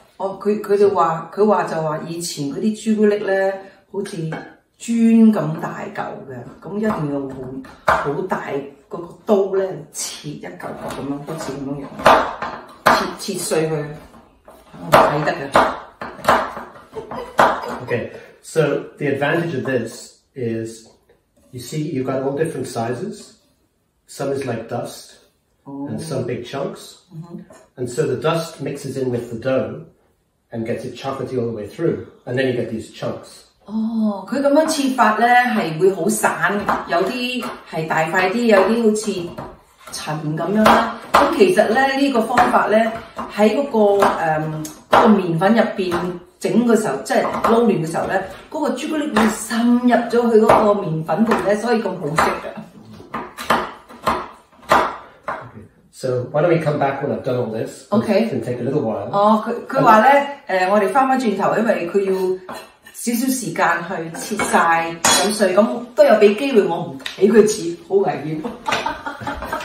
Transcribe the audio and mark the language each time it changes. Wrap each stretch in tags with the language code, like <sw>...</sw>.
<yue>Oh, 佢話就話以前嗰啲朱古力咧，好似磚咁大嚿嘅，咁一定要好大嗰個刀咧，切一嚿嚿咁樣，好似咁樣樣切碎佢，睇得嘅。Okay,</yue> <en>so the advantage of this is, you see, you've got all different sizes. Some is like dust. And some big chunks. Mm-hmm. And so the dust mixes in with the dough and gets it chocolatey all the way through. And then you get these chunks.</en> <yue>Oh, 它这样切法呢是会很散的，有些是大块一点，有些好像尘咁样啦。咁其实呢，这个方法呢，喺那个面粉入边整的时候，即是捞乱的时候呢，那个朱古力会渗入咗去那个面粉度呢，所以咁好食的。</yue> <en>So why don't we come back when I've done all this? Okay. It can take a little while.</en> <yue>Oh, 佢話咧，我哋翻翻轉頭，因為佢要少少時間去切曬，咁所以咁都有俾機會我唔睇佢切，好危險。</yue>